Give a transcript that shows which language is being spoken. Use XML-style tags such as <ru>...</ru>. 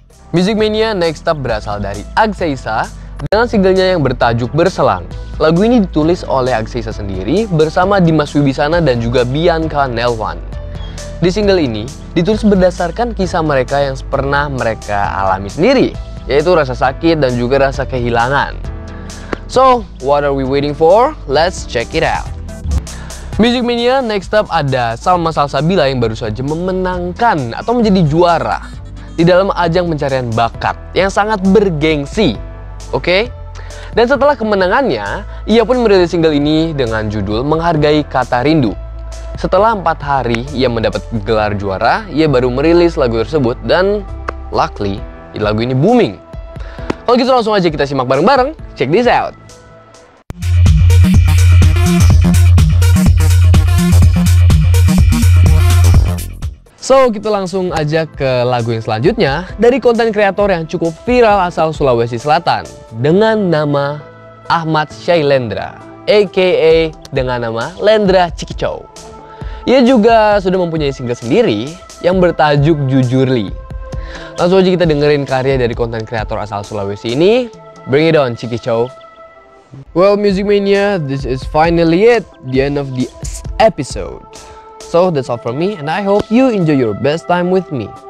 <id>Music Mania next up berasal dari Agseisa dengan singlenya yang bertajuk Berselang. Lagu ini ditulis oleh Agseisa sendiri bersama Dimas Wibisana dan juga Bianca Nelwan. Di single ini, ditulis berdasarkan kisah mereka yang pernah mereka alami sendiri, yaitu rasa sakit dan juga rasa kehilangan.</id> <en>So, what are we waiting for? Let's check it out.</en> <id>Music Mania, next up ada Salma Salsabila yang baru saja memenangkan atau menjadi juara di dalam ajang pencarian bakat yang sangat bergengsi, oke? Dan setelah kemenangannya, ia pun merilis single ini dengan judul Menghargai Kata Rindu. Setelah 4 hari ia mendapat gelar juara, ia baru merilis lagu tersebut dan luckily lagu ini booming. Kalau gitu langsung aja kita simak bareng-bareng,</id> <en>check this out.</en> <id>So, kita langsung aja ke lagu yang selanjutnya dari konten kreator yang cukup viral asal Sulawesi Selatan dengan nama Ahmad Shailendra, aka dengan nama Lendra Cikicow. Ia juga sudah mempunyai single sendiri yang bertajuk Jujurly. Langsung aja kita dengerin karya dari konten kreator asal Sulawesi ini.</id> <en>Bring it on, Cikicow. Well, Music Mania, this is finally it, the end of the episode. So, that's all from me, and I hope you enjoy your best time with me.</en>